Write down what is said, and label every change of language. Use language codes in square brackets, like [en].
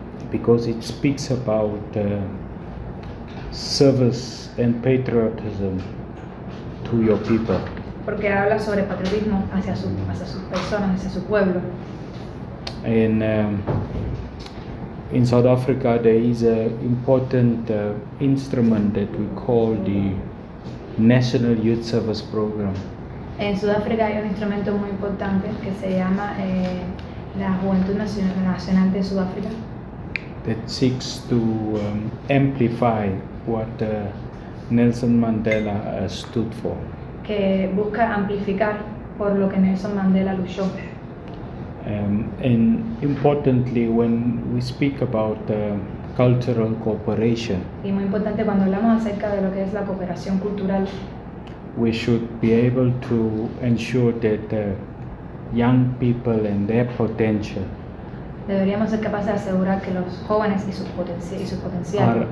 [en] Because it speaks about service and patriotism to your people. [es] Porque habla sobre patriotismo hacia su, hacia sus personas, hacia su pueblo. [en] In South Africa there is an important instrument that we call the National Youth Service Program. [es] En Sudáfrica hay un instrumento muy importante que se llama la Juventud Nacional de Sudáfrica. [en] That seeks to amplify what Nelson Mandela stood for. [es] Que busca amplificar por lo que Nelson Mandela luchó. [en] And importantly, when we speak about cultural cooperation. [es] Y muy importante cuando hablamos acerca de lo que es la cooperación cultural. [en] We should be able to ensure that young people and their potential. [es] Deberíamos ser capaces de asegurar que los jóvenes y su potencial